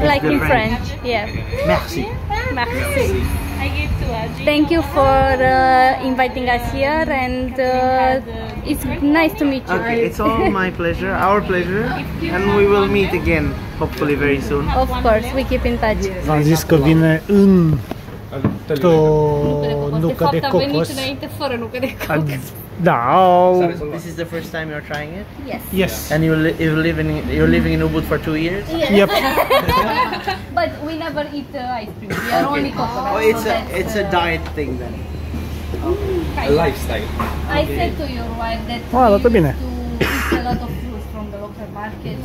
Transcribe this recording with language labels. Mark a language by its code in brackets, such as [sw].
[en] like in French. Yeah. [fr] Merci. Merci. [en] Thank you for inviting us here, and it's nice to meet you. Okay, it's all my pleasure, our pleasure, and we will meet again, hopefully very soon. Of course, we keep in touch. [ro] V-am zis că vine în to nucă de cocos. De fapt, a venit înainte fără nucă de cocos. Da. [en] This is the first time you're trying it? Yes. Yes. And you're living in Ubud for 2 years? Yes. Yep. But we never eat ice cream. We are only cocoa. Oh, it's a diet thing then. Okay. A lifestyle. Okay. I said to your wife that you need to eat a lot of fruits from the local market.